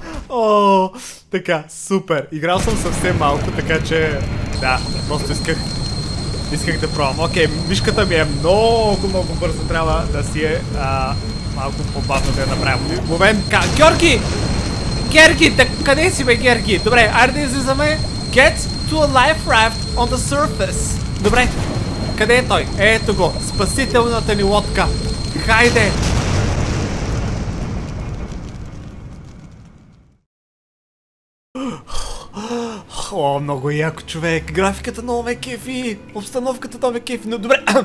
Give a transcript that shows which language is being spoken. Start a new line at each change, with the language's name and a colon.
Bulgarian: Ооо, така, супер. Играл съм съвсем малко, така че... Да, просто исках да пробвам. Окей, мишката ми е много бързо, трябва да си е малко по-бавно да я направим. Момент, Георги! Георги, так къде си бе, Георги? Добре, айде да излизаме.
English: Get to a life raft on the surface.
Bulgarian: Добре, къде е той? Ето го, спасителната ни лодка. Хайде! О, много яко, човек. Графиката много ме кефи. Обстановката много ме кефи. Но добре.